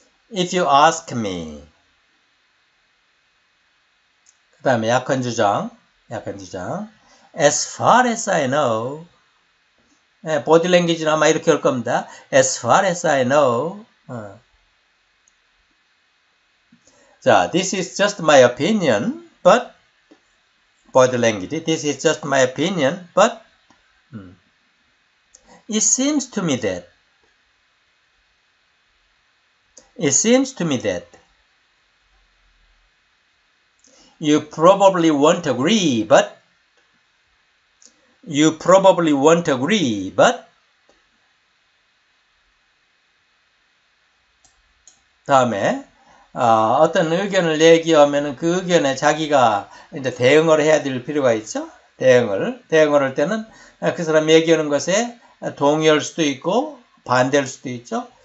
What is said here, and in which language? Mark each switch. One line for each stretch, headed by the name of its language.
English: If you ask me.
Korean: 그 다음에 약한 주장. 약한 주장.
English: As far as I know.
Korean: 네, 보디랭귀지는 아마 이렇게 올 겁니다.
English: As far as I know. 자, this is just my opinion, but, body language, this is just my opinion, but, it seems to me that, it seems to me that, you probably won't agree, but, you probably won't agree, but,
Korean: 다음에, 어떤 의견을 얘기하면 그 의견에 자기가 이제 대응을 해야 될 필요가 있죠. 대응을. 대응을 할 때는 그 사람 얘기하는 것에 동의할 수도 있고 반대할 수도 있죠.